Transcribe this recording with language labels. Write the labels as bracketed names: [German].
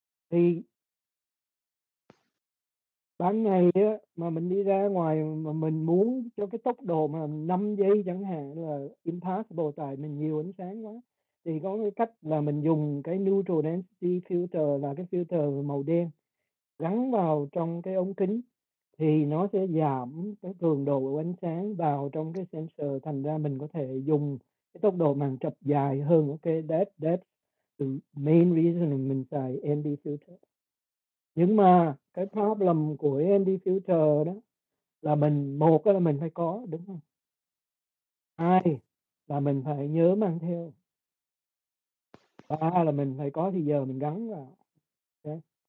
[Vietnamese] Thì ban ngày á, mà mình đi ra ngoài mà mình muốn cho cái tốc độ mà 5 giây chẳng hạn là impossible, tại mình nhiều ánh sáng quá, thì có cái cách là mình dùng cái neutral density filter là cái filter màu đen gắn vào trong cái ống kính, thì nó sẽ giảm cái cường độ của ánh sáng vào trong cái sensor, thành ra mình có thể dùng cái tốc độ màn chập dài hơn. [English] Ok, that's the main reason [Vietnamese] mình xài [English] ND filter. [Vietnamese] Nhưng mà cái problem của ND filter đó là mình, một là mình phải có, đúng không? Hai là mình phải nhớ mang theo. Ba là mình phải có thì giờ mình gắn vào. Okay.